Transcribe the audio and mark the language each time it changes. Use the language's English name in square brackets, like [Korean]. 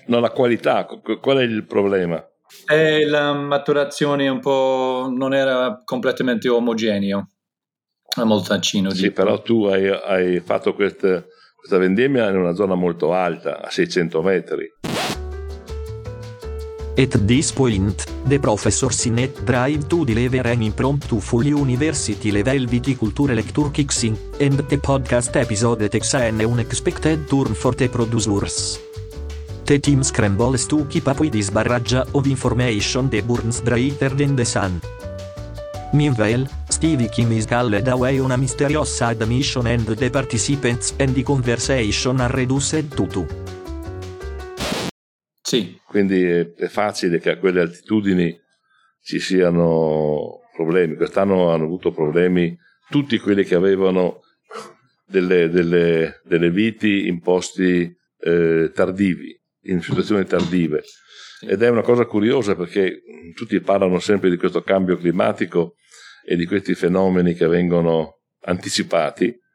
[Italian] No, la qualità, qual è il problema? E la maturazione un po' non era completamente omogeneo a Montalcino. Sì, però tu hai fatto questa vendemmia in una zona molto alta, a 600 metri. [English] At this point, the professor Sinet drive to deliver an impromptu full university level viticulture lecture kicks in, and the podcast episode takes an unexpected turn for the producers. The team scrambles to keep up with this barrage of information that burns brighter than the sun. Meanwhile, Stevie Kim is called away on a mysterious side mission and the participants and the conversation are reduced to two. [Italian] Sì. Quindi è facile che a quelle altitudini ci siano problemi. Quest'anno hanno avuto problemi tutti quelli che avevano delle viti in posti tardivi. In situazioni tardive ed è una cosa curiosa perché tutti parlano sempre di questo cambio climatico e di questi fenomeni che vengono anticipati.